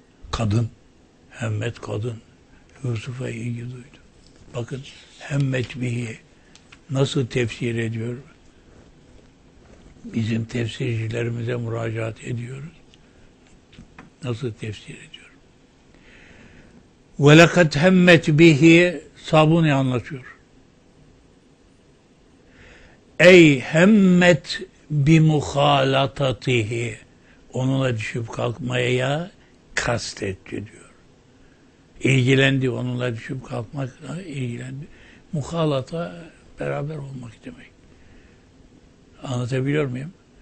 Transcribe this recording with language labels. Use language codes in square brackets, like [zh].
[tr] Kadın. Hemmet kadın. Yusuf'a ilgi duydu. Bakın hemmet bihi nasıl tefsir ediyor? Bizim tefsircilerimize müracaat ediyoruz. Nasıl tefsir ediyor? [ar] وَلَقَدْ هَمَّتْ بِهِ [tr] Sabuni anlatıyor. Ey hemmet bimuhalatatihi onunla düşüp kalkmaya kastetti diyor. İlgilendi onunla düşüp kalkmakla ilgilendi. Muhalata beraber olmak demek. Anlatabiliyor muyum?